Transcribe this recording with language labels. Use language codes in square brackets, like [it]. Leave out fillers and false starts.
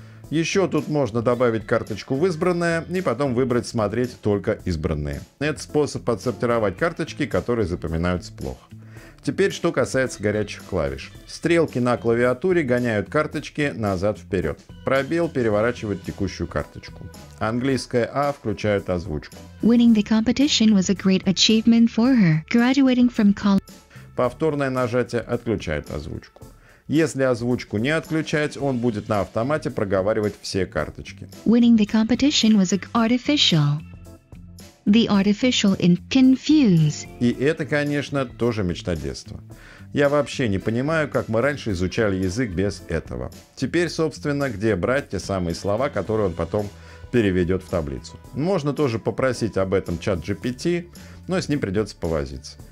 [ru] Еще тут можно добавить карточку в избранное и потом выбрать смотреть только избранные. Это способ отсортировать карточки, которые запоминаются плохо. Теперь что касается горячих клавиш. Стрелки на клавиатуре гоняют карточки назад-вперед. Пробел переворачивает текущую карточку. Английская А включает озвучку. [en] Winning the competition was a great achievement for her. Graduating from college. [ru] Повторное нажатие отключает озвучку. Если озвучку не отключать, он будет на автомате проговаривать все карточки. [en] Winning the competition was artificial. The artificial in confuse. [ru] И это, конечно, тоже мечта детства. Я вообще не понимаю, как мы раньше изучали язык без этого. Теперь, собственно, где брать те самые слова, которые он потом переведет в таблицу. Можно тоже попросить об этом ChatGPT, но с ним придется повозиться.